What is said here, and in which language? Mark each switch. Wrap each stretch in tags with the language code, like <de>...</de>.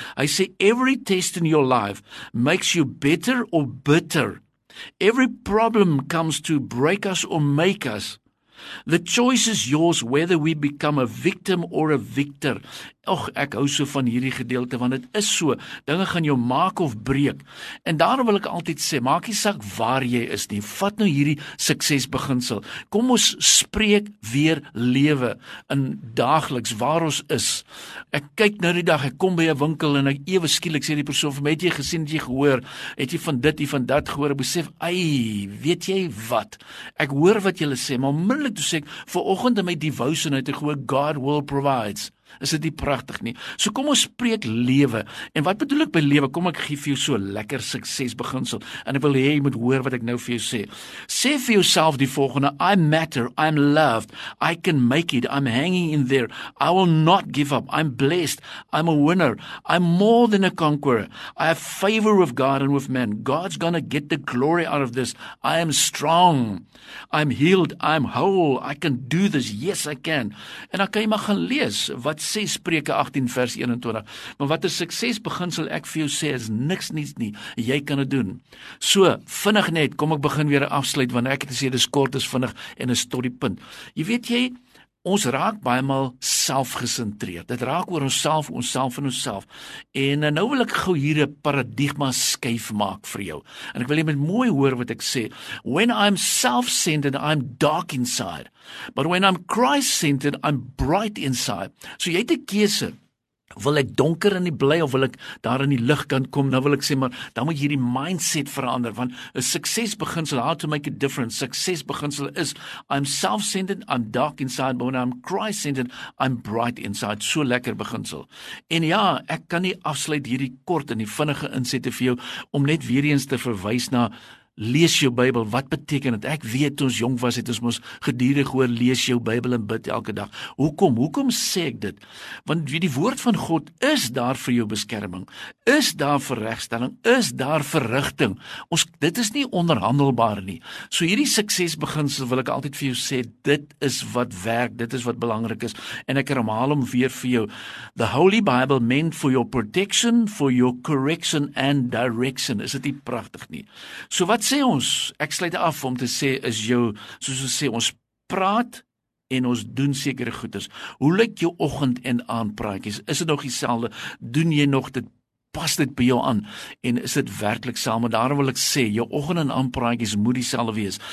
<af>Hy sê,</af> <en>every test in your life makes you better or bitter. Every problem comes to break us or make us. The choice is yours whether we become a victim or a victor.</en> <af>Och, ek hou so van hierdie gedeelte, want dit is so. Dinge gaan jou maak of breek. En daarom wil ek altyd sê, maak nie saak waar jy is nie. Vat nou hierdie suksesbeginsel. Kom ons spreek weer lewe in daagliks waar ons is. Ek kyk nou die dag, ek kom by 'n winkel en ek ewe skielik sê die persoon vir my, het jy gesien, het jy gehoor, het jy van dit, jy van dat gehoor, ek besef, ai, weet jy wat? Ek hoor wat jy sê, maar onmiddellik toe sê ek, vanoggend in my devotion uit te gooi,</af> <en>God will provides.</en> <af>Is dit nie pragtig nie? So kom ons spreek lewe. En wat bedoel ek by lewe? Kom ek gee vir jou so lekker suksesbeginsel. En ek wil hê jy moet hoor wat ek nou vir jou sê. Sê vir jouself die volgende:</af> <en>I matter, I'm loved, I can make it, I'm hanging in there, I will not give up, I'm blessed, I'm a winner, I'm more than a conqueror, I have favor with God and with men, God's gonna get the glory out of this, I am strong, I'm healed, I'm whole, I can do this, yes I can.</en> <af>En dan kan jy maar gaan lees wat sê Spreuke 18 vers 21. Maar wat 'n suksesbeginsel ek vir jou sê is niks niets nie. Jy kan dit doen. So, vinnig net, kom ek begin weer afsluit want ek het gesê dis kort, is vinnig en is tot die punt. Jy weet jy, ons raak baie maal selfgesentreerd. Dit raak oor onsself, onsself en onsself. En nou wil ek gou hier 'n paradigma skuif maak vir jou. En ek wil jy met mooi hoor wat ek sê.</af> <en>When I'm self-centered, I'm dark inside. But when I'm Christ-centered, I'm bright inside.</en> <af>So jy het 'n keuse. Wil ek donker in die bly of wil ek daar in die lig kan kom? Nou wil ek sê, maar dan moet jy hierdie mindset verander, want 'n suksesbeginsel,</af> <en>how to make a difference,</en> <af>suksesbeginsel is,</af> <en>I'm self-centered, I'm dark inside, but when I'm Christ-centered, I'm bright inside.</en> <af>So lekker beginsel. En ja, ek kan nie afsluit hierdie kort en die vinnige insette vir jou, om net weer eens te verwys na, lees jou Bybel, wat beteken dit? Ek weet, toe ons jong was, het ons mos gedurig hoor, lees jou Bybel en bid elke dag. Hoekom? Hoekom sê ek dit? Want die woord van God is daar vir jou beskerming, is daar vir regstelling, is daar vir rigting. Ons, dit is nie onderhandelbaar nie. So hierdie suksesbeginsel wil ek altyd vir jou sê, dit is wat werk, dit is wat belangrik is. En ek herhaal hom weer vir jou.</af> <en>The Holy Bible meant for your protection, for your correction and direction.</en> <af>Is dit nie pragtig nie? So wat sê ons? Ek sluit af om te sê, is jou, soos ons sê, ons praat en ons doen sekere goeders. Hoe lyk jou oggend en aandpraatjies? Is dit nog dieselfde? Doen jy nog dit? Pas dit by jou aan? En is dit werklik saam? En daarom wil ek sê, jou oggend en aandpraatjies moet dieselfde wees.</af>